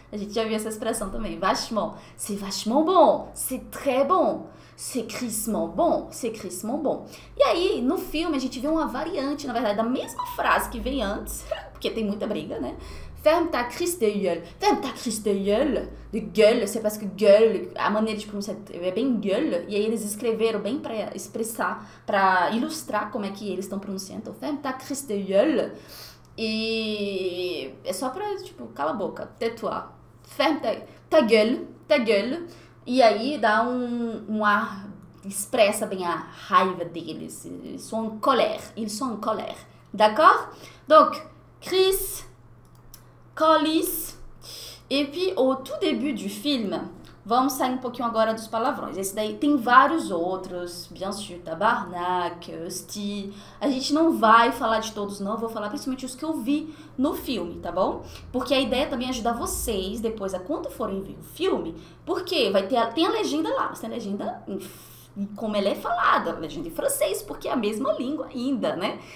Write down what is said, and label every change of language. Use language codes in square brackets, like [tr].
[pt] A gente já viu essa expressão também. [fr] Vachement. C'est vachement bon. C'est très bon. C'est crissement bon. C'est crissement bon. [pt] E aí, no filme, a gente vê uma variante, na verdade, da mesma frase que vem antes, porque tem muita briga, né? [fr] Ferme ta crisse de gueule. Ferme ta crisse de gueule. De gueule, c'est parce que gueule, [pt] a maneira de pronunciar é bem gueule. E aí eles escreveram bem para expressar, para ilustrar como é que eles estão pronunciando. Então, [fr] ferme ta crisse de gueule. [pt] E é só para, tipo, cala a boca, [fr] tais-toi. Ferme ta gueule, ta gueule. [pt] E aí dá um ar, expressa bem a raiva deles. [fr] Ils sont en colère. Ils sont en colère. D'accord? Donc, Chris. Calice. [pt] E puis, [fr] au tout début du film, [pt] vamos sair um pouquinho agora dos palavrões. Esse daí tem vários outros, [fr] bien sûr, [pt] tabarnak, hostie. A gente não vai falar de todos, não. Eu vou falar principalmente os que eu vi no filme, tá bom? Porque a ideia é também ajudar vocês depois, a quando forem ver o filme, porque vai ter tem a legenda lá, mas tem a legenda, como ela é falada, legenda em francês, porque é a mesma língua ainda, né?